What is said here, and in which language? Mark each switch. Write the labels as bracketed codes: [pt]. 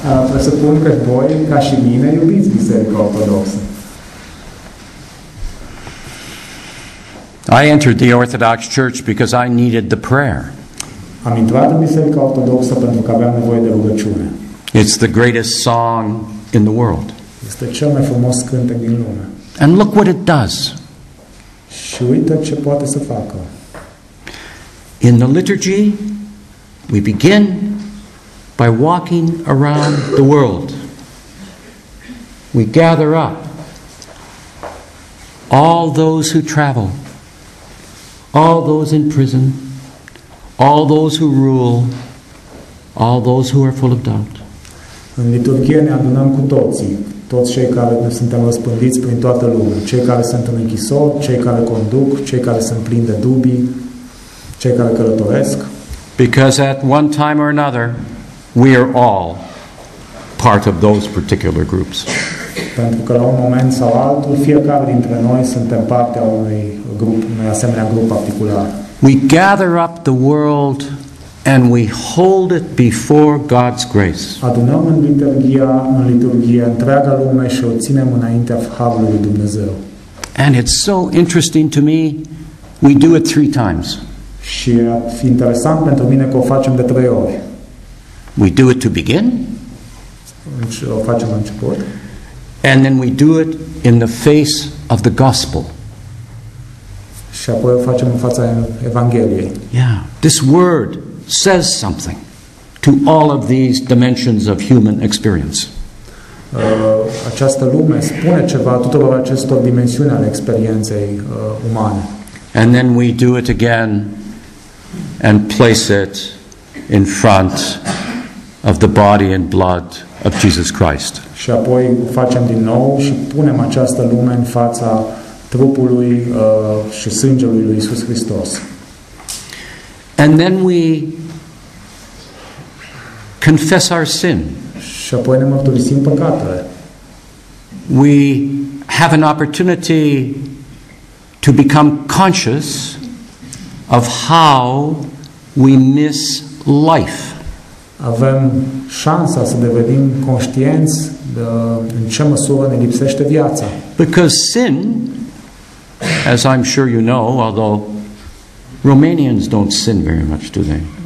[ro] Presupun că voi, ca și mine, iubiți Biserica Ortodoxă. [en] I entered the Orthodox Church because I needed the prayer. [ro] Am intrat în Biserica Ortodoxă pentru că aveam nevoie de rugăciune. [en] It's the greatest song in the world. [ro] Este cel mai frumos cântec din lume. [en] And look what it does. [ro] Și uite ce poate să facă. [en] In the liturgy, we begin by walking around the world. We gather up all those who travel, all those in prison, all those who rule, all those who are full of doubt. [ro] În liturghie ne adunăm cu toții, toți cei care ne suntem răspândiți prin toată lumea, cei care sunt în închisori, cei care conduc, cei care sunt plini de dubii, cei care călătoresc. [en] Because at one time or another, we are all part of those particular groups. [ro] Pentru că la un moment sau altul, fiecare dintre noi suntem parte a unui grup, unui asemenea grup particular. [en] We gather up the world and we hold it before God's grace. [ro] Adunăm în liturghia, în liturghie întreaga lume și o ținem înaintea harului Dumnezeu. [en] And it's so interesting to me, we do it three times. [ro] Și e interesant pentru mine că o facem de trei ori. [en] We do it to begin. [ro] Și o facem la început. [en] And then we do it in the face of the gospel. [ro] Și apoi o facem în fața Evangheliei. [en] Yeah, this word says something to all of these dimensions of human experience. [ro] Această lume spune ceva tuturor acestor dimensiuni ale experienței umane. [en] And then we do it again and place it in front of the body and blood of Jesus Christ. [ro] Și apoi facem din nou și punem această lume în fața trupului și sângelui lui Iisus Hristos. [en] And then we confess our sin. [ro] Și apoi ne mărturisim păcatele. [en] We have an opportunity to become conscious of how we miss life. [ro] Avem șansa să devenim conștienți de în ce măsură ne lipsește viața. [en] Because sin, as I'm sure you know, although Romanians don't sin very much, do they?